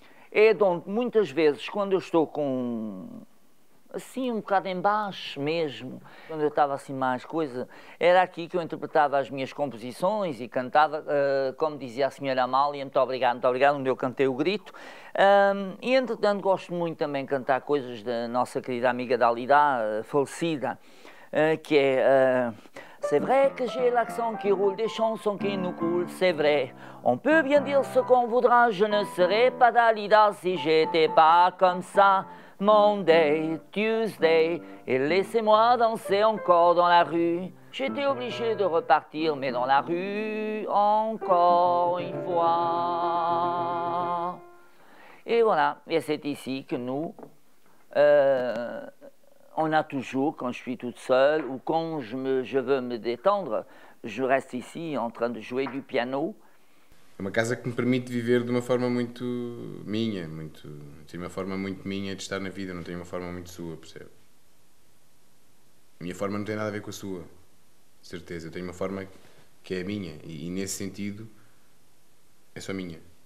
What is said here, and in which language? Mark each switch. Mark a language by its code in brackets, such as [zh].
[pt] é de onde muitas vezes, quando eu estou com... assim, um bocado em baixo mesmo, quando eu estava assim mais coisa, era aqui que eu interpretava as minhas composições e cantava, como dizia a senhora Amália, muito obrigado, muito obrigado, onde eu cantei o grito. E entretanto gosto muito também de cantar coisas da nossa querida amiga Dalida, falecida, que é... [fr] C'est vrai que j'ai l'accent qui roule des chansons qui nous coulent, c'est vrai. On peut bien dire ce qu'on voudra, je ne serais pas Dalida si j'étais pas comme ça. [en] Monday, Tuesday, [fr] et laissez-moi danser encore dans la rue. J'étais obligé de repartir, mais dans la rue, encore une fois. Et voilà, et c'est ici que nous, on a toujours, quand je suis toute seule, ou quand je veux me détendre, je reste ici en train de jouer du piano. [pt] É uma casa que me permite viver de uma forma muito minha, muito... tenho uma forma muito minha de estar na vida, não tenho uma forma muito sua, percebe? A minha forma não tem nada a ver com a sua, de certeza. Eu tenho uma forma que é a minha e nesse sentido, é só minha.